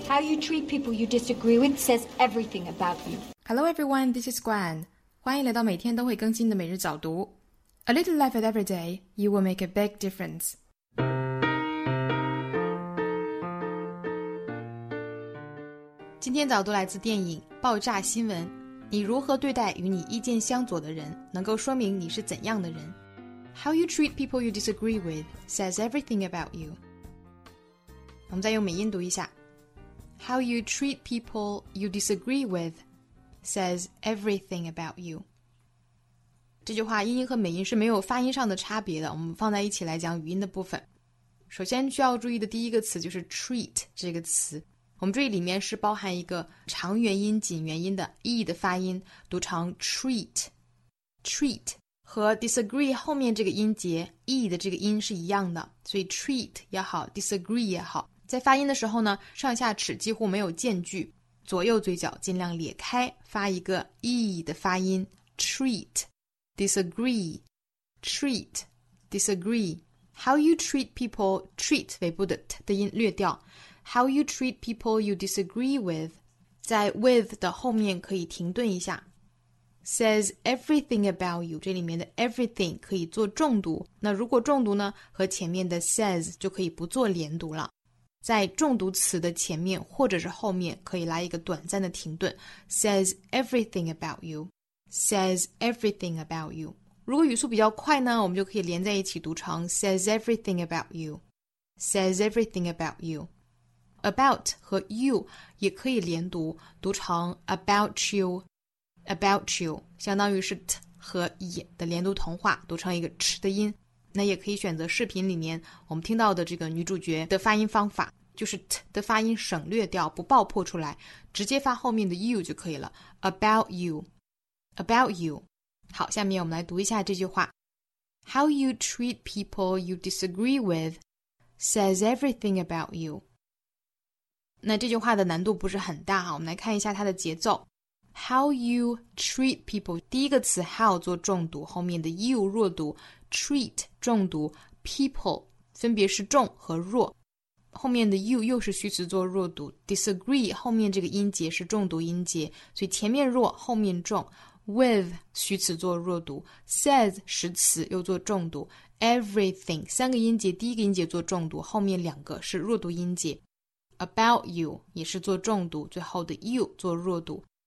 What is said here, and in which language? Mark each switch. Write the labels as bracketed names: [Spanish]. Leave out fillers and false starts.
[English] How you treat people you disagree with says everything about you. Hello everyone, this is Gwen. [Chinese] 欢迎来到每天都会更新的每日早读。 [English] A little laugh at every day, you will make a big difference. [Chinese] 今天早读来自电影《爆炸新闻》。你如何对待与你意见相左的人，能够说明你是怎样的人。 [English] How you treat people you disagree with says everything about you. [Chinese] 我们再用美音读一下。 [English] How you treat people you disagree with says everything about you. [Chinese] 这句话英音和美音是没有发音上的差别的，我们放在一起来讲语音的部分。首先需要注意的第一个词就是 treat 这个词。我们这里面是包含一个长元音紧元音的 E 的发音，读成 treat。 treat 和 disagree 后面这个音节 E 的这个音是一样的，所以 treat 也好 disagree 也好，在发音的时候呢，上下齿几乎没有间距，左右嘴角尽量裂开，发一个 E 的发音 treat disagree treat disagree。 [English] How you treat people, treat [Chinese] 尾部的 T 的音略掉。 [English] How you treat people you disagree with, [Chinese] 在 with 的后面可以停顿一下。 [English] Says everything about you, [Chinese] 这里面的 everything 可以做重读。那如果重读呢，和前面的 says 就可以不做连读了。在重读词的前面或者是后面可以来一个短暂的停顿。 [English] Says everything about you, says everything about you. [Chinese] 如果语速比较快呢，我们就可以连在一起读成 [English] says everything about you, [Chinese] says everything about you. About 和 you 也可以连读，读成 [English] about you, about you, [Chinese] 相当于是 t 和 e 的连读同化，读成一个 ch 的音。那也可以选择视频里面我们听到的这个女主角的发音方法，就是 t 的发音省略掉，不爆破出来，直接发后面的 you 就可以了。 [English] About you, about you. [Chinese] 好，下面我们来读一下这句话。 [English] How you treat people you disagree with says everything about you. [Chinese] 那这句话的难度不是很大，我们来看一下它的节奏。 [English] How you treat people, [Chinese] 第一个词 how 做重读，后面的 you 弱读， treat 重读， people 分别是重和弱，后面的 you 又是虚词做弱读， disagree 后面这个音节是重读音节，所以前面弱后面重， with 虚词做弱读， says 实词又做重读， everything 三个音节，第一个音节做重读，后面两个是弱读音节，About you 也是做重读，最后的 you 做弱读。